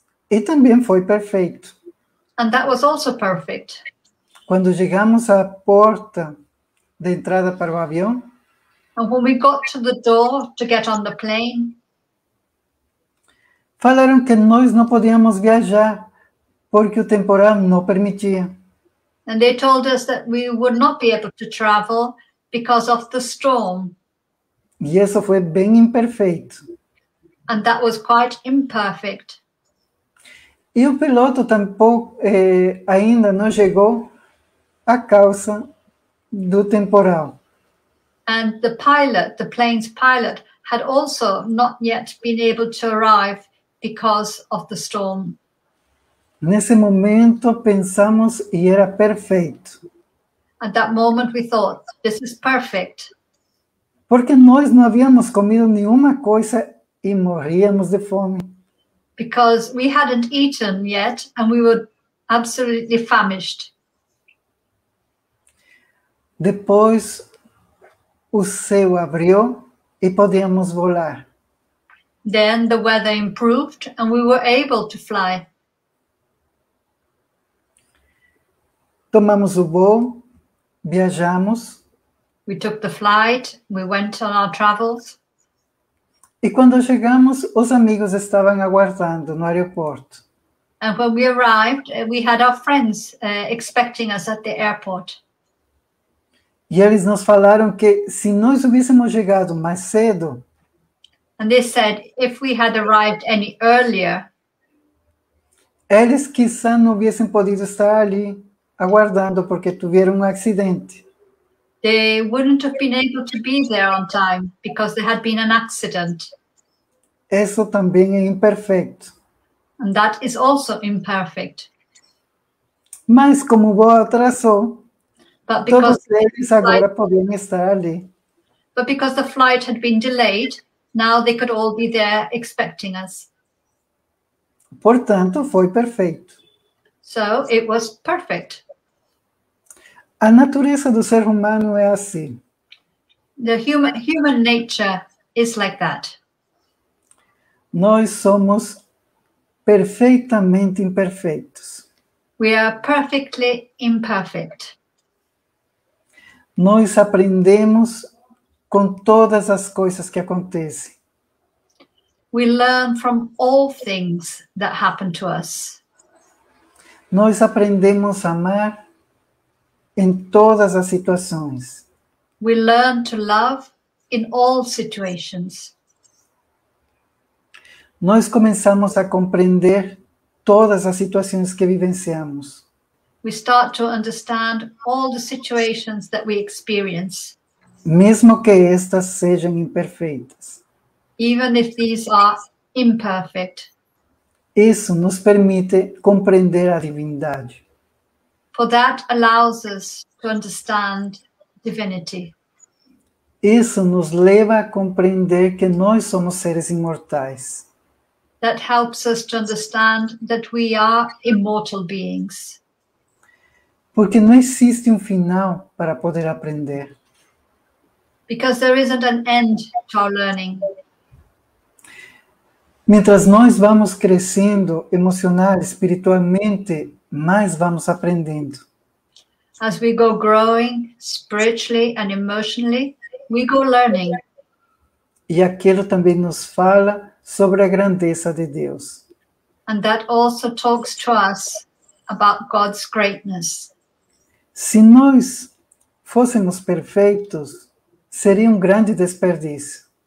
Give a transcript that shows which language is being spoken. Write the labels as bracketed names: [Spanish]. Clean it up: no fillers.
[Portuguese] E também foi perfeito. [English] And that was also perfect. [Portuguese] Quando chegamos à porta de entrada para o avião. [English] And when we got to the door to get on the plane. [Portuguese] Falaram que nós não podíamos viajar porque o temporal não permitia. [English] And they told us that we would not be able to travel because of the storm. [Portuguese] E isso foi bem imperfeito. [English] And that was quite imperfect. [Portuguese] E o piloto tampouco ainda não chegou à causa do temporal. [English] And the pilot, the plane's pilot, had also not yet been able to arrive because of the storm. [Portuguese] Nesse momento pensamos e era perfeito. [English] At that moment we thought, this is perfect. [Portuguese] Porque nós não havíamos comido nenhuma coisa e morríamos de fome. [English] Because we hadn't eaten yet and we were absolutely famished. [Portuguese] Depois o céu abriu e podíamos voar. [English] Then the weather improved and we were able to fly. [Portuguese] Tomamos o voo, viajamos. [English] We took the flight, we went on our travels. [Portuguese] E quando chegamos, os amigos estavam aguardando no aeroporto. [English] And when we arrived, we had our friends expecting us at the airport. [Portuguese] E eles nos falaram que se nós hubiéssemos chegado mais cedo. [English] And they said, if we had arrived any earlier. [Portuguese] Eles quizá não hubiessem podido estar ali aguardando porque tiveram acidente. [English] They wouldn't have been able to be there on time because there had been an accident. [Portuguese] Isso também é imperfeito. [English] And that is also imperfect. [Portuguese] Mas como o voo atrasou, todos eles agora podiam estar ali. [English] But because the flight had been delayed, now they could all be there expecting us. [Portuguese] Portanto, foi perfeito. [English] So it was perfect. [Portuguese] A natureza do ser humano é assim. [English] The human nature is like that. [Portuguese] Nós somos perfeitamente imperfeitos. [English] We are perfectly imperfect. [Portuguese] Nós aprendemos com todas as coisas que acontecem. [English] We learn from all things that happen to us. [Portuguese] Nós aprendemos a amar em todas as situações. [English] We learn to love in all situations. [Portuguese] Nós começamos a compreender todas as situações que vivenciamos. [English] We start to understand all the situations that we experience. [Portuguese] Mesmo que estas sejam imperfeitas. [English] Even if these are imperfect. [Portuguese] Isso nos permite compreender a divindade. [English] For that allows us to understand divinity. [Portuguese] Isso nos leva a compreender que nós somos seres imortais. [English] That helps us to understand that we are immortal beings. [Portuguese] Porque não existe final para poder aprender. [English] Because there isn't an end to our learning. [Portuguese] Mientras nós vamos crescendo emocional, espiritualmente, mais vamos aprendendo. [English] as we go growing spiritually and emotionally, we go learning. [Portuguese] E aquilo também nos fala sobre a grandeza de Deus. [English] And that also talks to us about God's greatness. [Portuguese] Se nós fôssemos perfeitos, seria um grande desperdício.